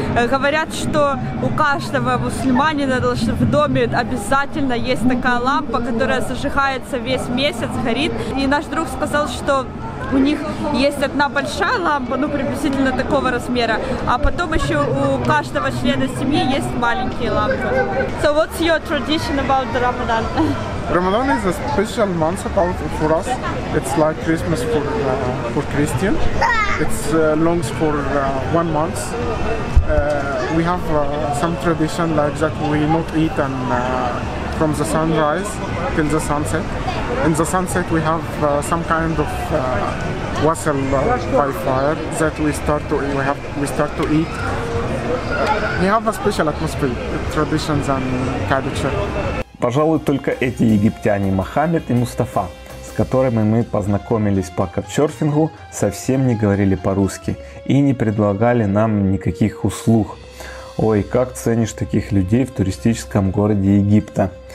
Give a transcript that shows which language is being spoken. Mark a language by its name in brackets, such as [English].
[Russian] Говорят, что у каждого мусульманина в доме обязательно есть такая лампа, которая зажигается весь месяц, горит. И наш друг сказал, что у них есть одна большая лампа, ну, приблизительно такого размера, а потом еще у каждого члена семьи есть маленькие лампы. [English] So what's your tradition about the Ramadan? Ramadan is a special month about for us. It's like Christmas for Christian. It's longs for 1 month. We have some tradition like that we not eat and from the sunrise till the sunset. In the sunset we have some kind of wassail by fire that we start to eat. We have a special atmosphere, traditions and culture. [Russian] Пожалуй, только эти египтяне Мохаммед и Мустафа, с которыми мы познакомились по каучсерфингу, совсем не говорили по-русски и не предлагали нам никаких услуг. Ой, как ценишь таких людей в туристическом городе Египта.